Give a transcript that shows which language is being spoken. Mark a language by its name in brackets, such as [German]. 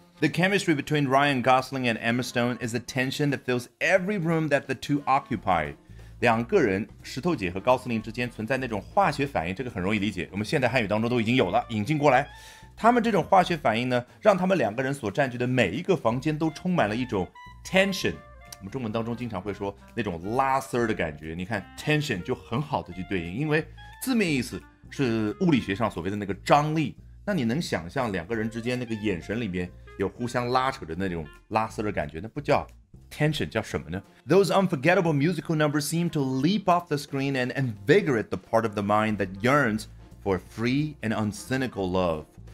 [English] The chemistry between Ryan Gosling and Emma Stone is a tension that fills every room that the two occupy。 [Chinese] 两个人石头姐和高司令之间存在那种化学反应，这个很容易理解，我们现代汉语当中都已经有了，引进过来。他们这种化学反应呢，让他们两个人所占据的每一个房间都充满了一种 tension， 我们中文当中经常会说那种拉丝的感觉。你看 tension 就很好的去对应，因为字面意思是物理学上所谓的那个张力，那你能想象两个人之间那个眼神里面有互相拉扯的那种拉丝的感觉，那不叫 tension， 叫什么呢？ [English] Those unforgettable musical numbers seem to leap off the screen and invigorate the part of the mind that yearns for free and uncynical love。